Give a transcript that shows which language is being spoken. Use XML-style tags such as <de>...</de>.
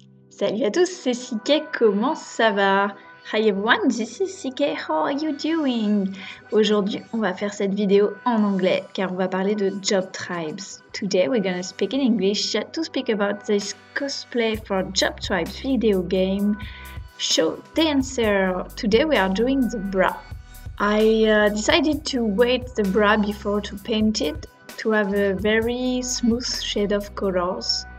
<fr>Salut à tous, c'est Sike, comment ça va?</fr> <en>Hi everyone, this is Sike, how are you doing?</en> <fr>Aujourd'hui, on va faire cette vidéo en anglais, car on va parler de job tribes.</fr> <en>Today, we're gonna speak in English to speak about this cosplay for job tribes video game show dancer. Today, we are doing the bra. I decided to wait the bra before to paint it, to have a very smooth shade of colors.</en>